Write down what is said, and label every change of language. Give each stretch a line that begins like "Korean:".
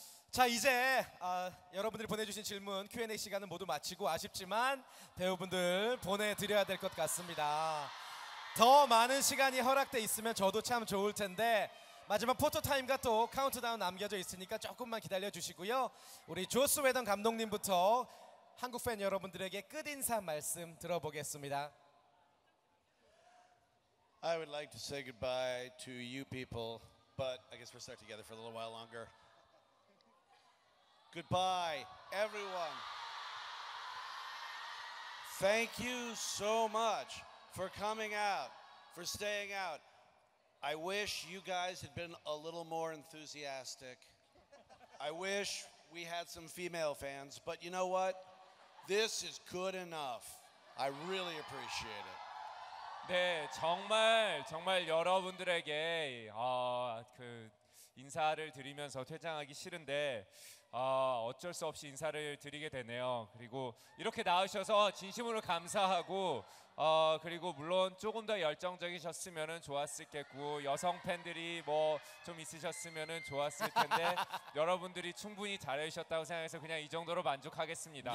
Korean: 자, 이제 여러분들이 보내주신 질문 Q&A 시간은 모두 마치고 아쉽지만 배우분들 보내드려야 될 것 같습니다. 더 많은 시간이 허락돼 있으면 저도 참 좋을 텐데 마지막 포토 타임과 또 카운트다운 남겨져 있으니까 조금만 기다려 주시고요. 우리 조스 웨던 감독님부터 한국 팬 여러분들에게 끝인사 말씀 들어보겠습니다.
English: I would like to say goodbye to you people, but I guess we're stuck together for a little while longer. Goodbye, everyone. Thank you so much for coming out, for staying out. I wish you guys had been a little more enthusiastic. I wish we had some female fans, but you know what? This is good enough. I really appreciate it.
Korean: 네, 정말 여러분들에게 그 인사를 드리면서 퇴장하기 싫은데 어쩔 수 없이 인사를 드리게 되네요. 그리고 이렇게 나오셔서 진심으로 감사하고 그리고 물론 조금 더 열정적이셨으면은 좋았을겠고 여성 팬들이 뭐 좀 있으셨으면은 좋았을 텐데 여러분들이 충분히 잘해주셨다고 생각해서 그냥 이 정도로 만족하겠습니다.